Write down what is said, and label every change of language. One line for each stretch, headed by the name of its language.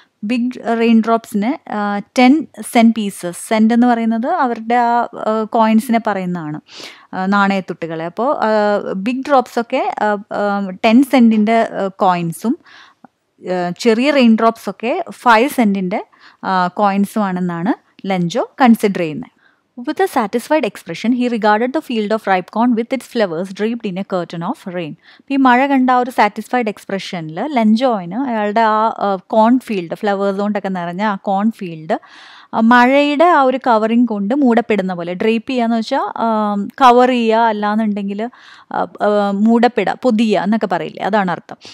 Malayalam: Big rain ഡ്രോപ്സിന് 10 saint pieces, saint എന്ന് പറയുന്നത് അവരുടെ ആ കോയിൻസിനെ പറയുന്നതാണ്, നാണയത്തുട്ടുകളെ. അപ്പോൾ ബിഗ് ഡ്രോപ്സൊക്കെ 10 സെന്റിൻ്റെ കോയിൻസും ചെറിയ റെയിൻ ഡ്രോപ്സൊക്കെ 5 സെന്റിൻ്റെ കോയിൻസുമാണെന്നാണ് ലഞ്ചോ കൺസിഡർ ചെയ്യുന്നത്.
English: With a satisfied expression, he regarded the field of ripe corn with its flowers draped in a curtain of rain.
Malayalam: ഇപ്പോൾ ഈ മഴ കണ്ട ആ ഒരു സാറ്റിസ്ഫൈഡ് എക്സ്പ്രഷനിൽ ലഞ്ചോയിന് അയാളുടെ ആ കോൺ ഫീൽഡ് ഫ്ലവേഴ്സ് കൊണ്ടൊക്കെ നിറഞ്ഞ ആ കോൺ ഫീൽഡ് മഴയുടെ ആ ഒരു കവറിങ് കൊണ്ട് മൂടപ്പെടുന്ന പോലെ. ഡ്രേപ്പ് ചെയ്യുക എന്ന് വെച്ചാൽ കവർ ചെയ്യുക അല്ലാന്നുണ്ടെങ്കിൽ മൂടപ്പെടുക, പൊതിയ എന്നൊക്കെ പറയില്ലേ, അതാണ് അർത്ഥം.